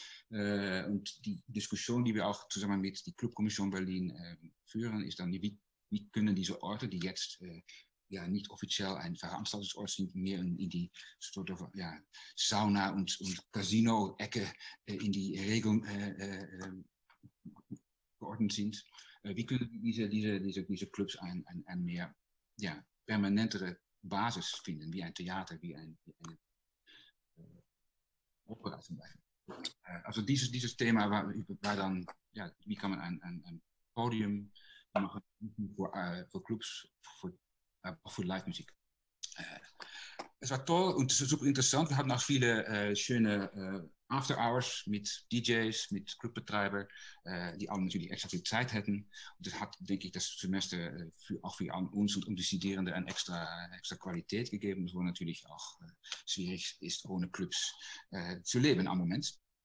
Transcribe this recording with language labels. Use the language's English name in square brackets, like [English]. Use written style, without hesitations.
[German] Und die Diskussion, die wir auch zusammen mit der Clubkommission Berlin führen, ist dann, wie können diese Orte, die jetzt nicht offiziell ein Veranstaltungsort sind, mehr in die Sauna- und Casino-Ecke in die Regeln geordnet sind. [Dutch] Wie kunnen deze clubs een meer permanentere basis vinden, wie een theater, wie een opera. Also deze thema waar dan, wie kan men een podium maken voor clubs, voor live muziek. Het was toll en super interessant. We hadden nog veel [German] schöne After Hours mit DJs, mit Clubbetreiber, die alle natürlich extra viel Zeit hätten. Und das hat, denke ich, das Semester auch für uns und die Studierenden eine extra Qualität gegeben, wo natürlich auch schwierig ist, ohne Clubs zu leben am Moment.